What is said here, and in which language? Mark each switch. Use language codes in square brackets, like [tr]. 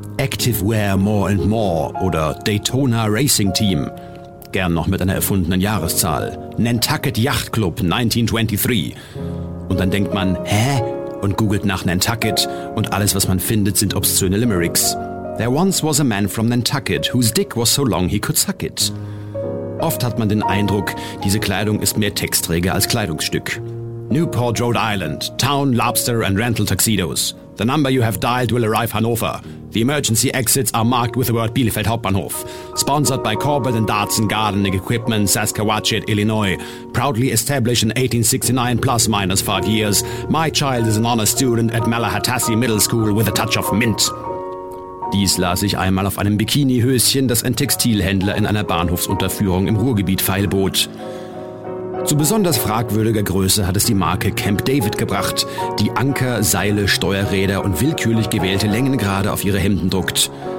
[en] Active Wear More and More oder Daytona Racing Team. [de] Gern noch mit einer erfundenen Jahreszahl. Nantucket Yacht Club 1923. Und dann denkt man, hä? Und googelt nach Nantucket und alles, was man findet, sind obszöne Limericks. [en] There once was a man from Nantucket, whose dick was so long he could suck it. [de] Oft hat man den Eindruck, diese Kleidung ist mehr Textträger als Kleidungsstück. [en] Newport, Rhode Island, Town, Lobster and Rental Tuxedos. The number you have dialed will arrive Hannover. The emergency exits are marked with the word Bielefeld Hauptbahnhof. Sponsored by Corbett and Dartson Gardening Equipment, Saskatchewan, Illinois. Proudly established in 1869 plus minus 5 years. My child is an honor student at Malahatassee Middle School with a touch of mint. [de] Dies las ich einmal auf einem Bikinihöschen, das ein Textilhändler in einer Bahnhofsunterführung im Ruhrgebiet feilbot. Zu besonders fragwürdiger Größe hat es die Marke Camp David gebracht, die Anker, Seile, Steuerräder und willkürlich gewählte Längengrade auf ihre Hemden druckt.